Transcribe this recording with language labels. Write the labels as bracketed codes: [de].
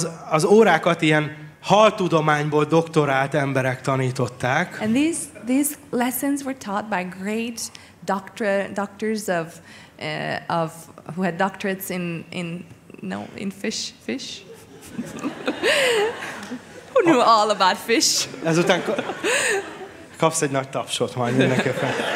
[hu] Az órákat ilyen haltudományból doktorált emberek tanították. [en] And these lessons were taught by great doctors of who had doctorates in fish. Who knew all about fish? [hu] Ezután kapsz egy nagy tapsot majd mindenképpen.